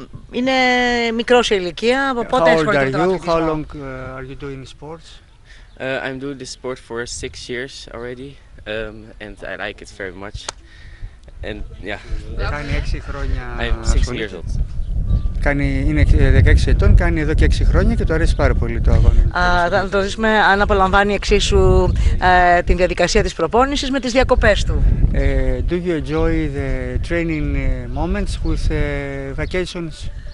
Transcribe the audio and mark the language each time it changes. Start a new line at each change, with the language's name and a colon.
Greek: Είναι μικρός η ηλικία, από πότε ασχολείται με τον αθλητισμό?
English: How long are you doing sports? I'm doing this sport for 6 years already and I like it very much. And yeah.
Greek: Κάνει 6 χρόνια.
English: I'm 6 years old.
Greek: Είναι 16 ετών, κάνει εδώ και 6 χρόνια και του αρέσει πάρα πολύ το αγώνα. Θα το δούμε αν απολαμβάνει εξίσου την διαδικασία της προπόνησης με τις διακοπές του.
English: Do you enjoy the training moments with vacations?